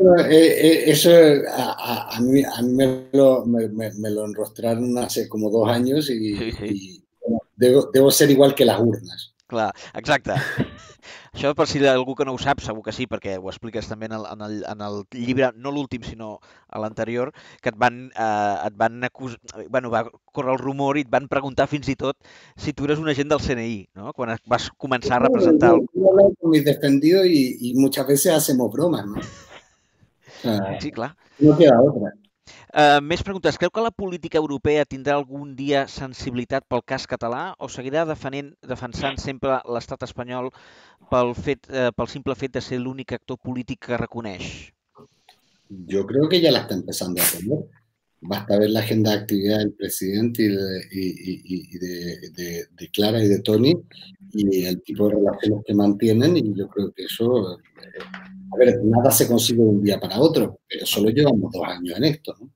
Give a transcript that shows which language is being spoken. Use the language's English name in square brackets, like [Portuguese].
[Spanish] Eso a mí me lo enrostraron hace como 2 años y, sí. Y bueno, debo ser igual que las urnas. [Catalan] Clar, exacte. Això per si algú que no ho sap, segur que sí, perquè ho expliques també en el llibre, no l'últim, sinó a l'anterior, que et van acusar, bueno, va córrer el rumor i et van preguntar fins i tot si tu eres un agent del CNI, no? Quan vas començar a representar... [Spanish] Yo hablo con mis defendidos y muchas veces hacemos bromas, ¿no? [Catalan] Sí, clar. [Spanish] No queda otra. [Catalan] Més preguntes. Creu que la política europea tindrà algun dia sensibilitat pel cas català o seguirà defensant sempre l'estat espanyol pel simple fet de ser l'únic actor polític que reconeix? [Spanish] Yo creo que ya la está empezando a hacer. Basta ver la agenda de actividad del presidente y de Clara y de Toni y el tipo de relaciones que mantienen y yo creo que eso... A ver, nada se consigue de un día para otro, pero solo llevamos 2 años en esto, ¿no?